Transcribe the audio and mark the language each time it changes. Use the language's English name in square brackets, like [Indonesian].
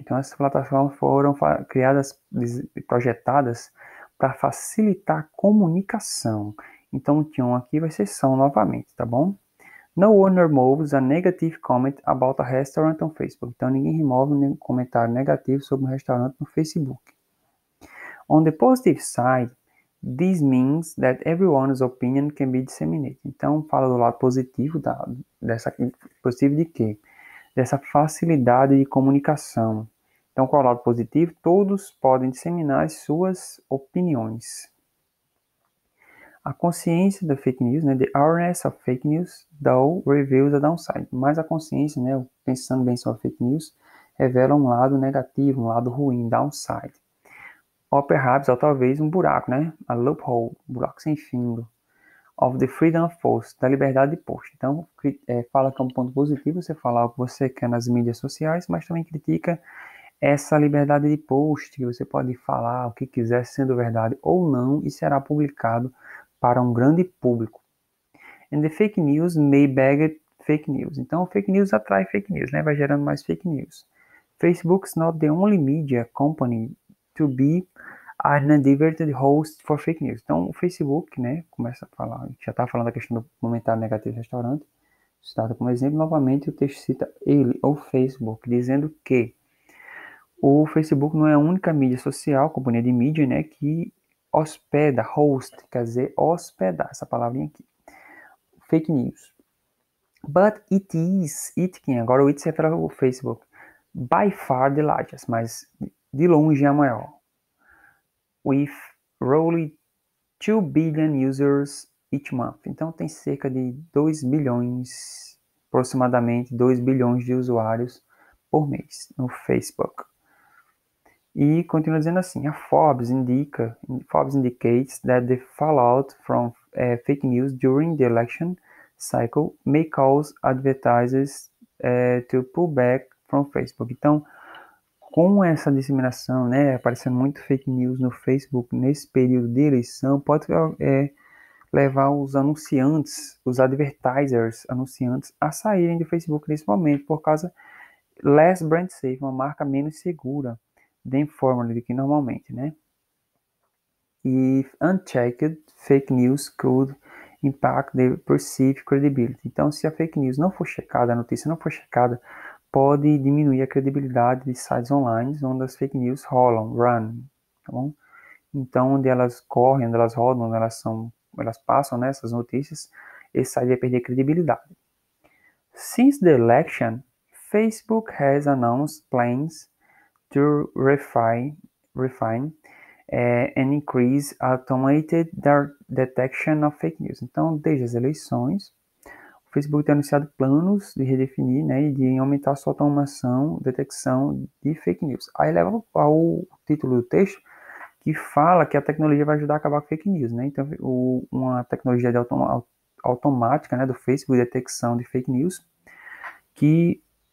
[Portuguese] Então, essas plataformas foram criadas, projetadas para facilitar comunicação. Então, o tion aqui vai ser são novamente, tá bom? [English] No one removes a negative comment about a restaurant on Facebook. [Portuguese] Então, ninguém remove nenhum comentário negativo sobre um restaurante no Facebook. [English] On the positive side, this means that everyone's opinion can be disseminated. [Portuguese] Então, fala do lado positivo dessa positivo de quê? Dessa facilidade de comunicação. Então, qual é o lado positivo? Todos podem disseminar as suas opiniões. A consciência da fake news, né? [English] The awareness of fake news, though, reveals a downside. [Portuguese] Mas a consciência, né? Pensando bem sobre fake news, revela um lado negativo, um lado ruim, downside. Ou perhaps, ou talvez, um buraco, né? A loophole, buraco sem fundo. [English] Of the freedom of post, [Portuguese] da liberdade de post. Então, fala que é um ponto positivo você falar o que você quer nas mídias sociais, mas também critica essa liberdade de post, que você pode falar o que quiser sendo verdade ou não, e será publicado para um grande público. [English] And the fake news may beget fake news. [Portuguese] Então, fake news atrai fake news, né? Vai gerando mais fake news. [English] Facebook's not the only media company to be an inadvertent host for fake news. [Portuguese] Então, o Facebook, né, começa a falar, já está falando da questão do comentário negativo do restaurante, citado como exemplo, novamente o texto cita ele, ou Facebook, dizendo que o Facebook não é a única mídia social, companhia de mídia, né, que hospeda, host, quer dizer, hospedar, essa palavrinha aqui. Fake news. [English] But it is, it can, [Portuguese] agora o it é para o Facebook, [English] by far the largest, [Portuguese] mas de longe é a maior. [English] With roughly 2 billion users each month. [Portuguese] Então tem cerca de 2 bilhões, aproximadamente 2 bilhões de usuários por mês no Facebook. E continua dizendo assim: [English] a Forbes indicates that the fallout from fake news during the election cycle may cause advertisers to pull back from Facebook. [Portuguese] Então, com essa disseminação, né, aparecendo muito fake news no Facebook nesse período de eleição, pode levar os anunciantes, os advertisers anunciantes a saírem do Facebook nesse momento, por causa [English] less brand safe, [Portuguese] uma marca menos segura, [English] than formerly, [Portuguese] do que normalmente, né? [English] If unchecked, fake news could impact the perceived credibility. [Portuguese] Então, se a fake news não for checada, a notícia não for checada, pode diminuir a credibilidade de sites online onde as fake news rolam, run, tá bom? Então, onde elas correm, onde elas rodam, onde elas passam, né, essas notícias, esse site vai perder credibilidade. [English] Since the election, Facebook has announced plans to refine and increase automated detection of fake news. [Portuguese] Então, desde as eleições, Facebook tem anunciado planos de redefinir, né, de aumentar sua automação, detecção de fake news. Aí leva ao título do texto que fala que a tecnologia vai ajudar a acabar com fake news, né? Então, uma tecnologia automática, né, do Facebook, detecção de fake news, que